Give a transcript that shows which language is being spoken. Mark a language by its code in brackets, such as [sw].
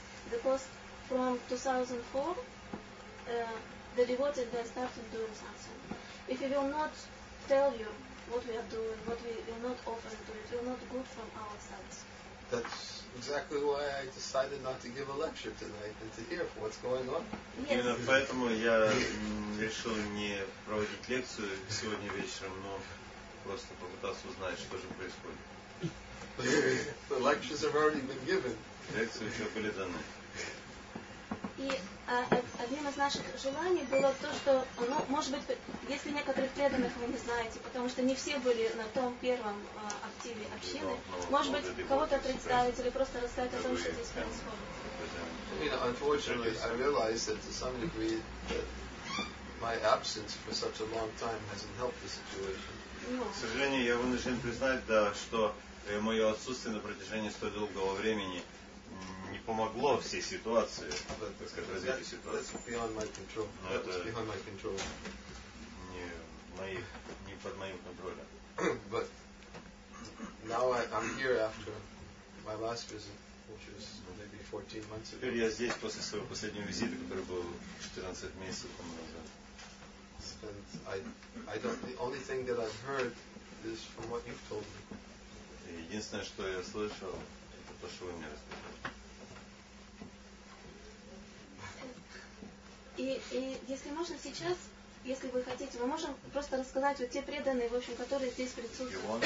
[en] Because from 2004, the devotees, they started doing something. If we will not tell you what we are doing, what we will not offer to you, it will not be good from our side. That's exactly why I decided not to give a lecture tonight and to hear what's going on. Yes. [ru] Поэтому я решил не проводить лекцию сегодня вечером, но просто попытаться узнать, что же происходит. [en] The lectures have already been given. [ru] Лекции уже были даны. И одним из наших желаний было то, что, может быть, если некоторых преданных вы не знаете, потому что не все были на том первом активе общины, может быть, кого-то представить или просто рассказать о том, что здесь происходит. [en] You know, unfortunately, I realize that to some degree that my absence for such a long time hasn't helped the situation. [ru] К сожалению, я вынужден признать, да, что мое отсутствие на протяжении столь долгого времени не помогло всей ситуации, так сказать, развитию ситуации. [en] That's beyond my control. [ru] Не под моим контролем. [en] But now I'm here after my last visit, which was maybe 14 months ago. [ru] Теперь я здесь после своего последнего визита, который был 14 месяцев назад. [en] And I don't. The only thing that I've heard is from what you've told me. [ru] Единственное, что я слышал, это то, что вы мне рассказали. И если можно сейчас, если вы хотите, мы можем просто рассказать вот те преданные, в общем, которые здесь присутствуют.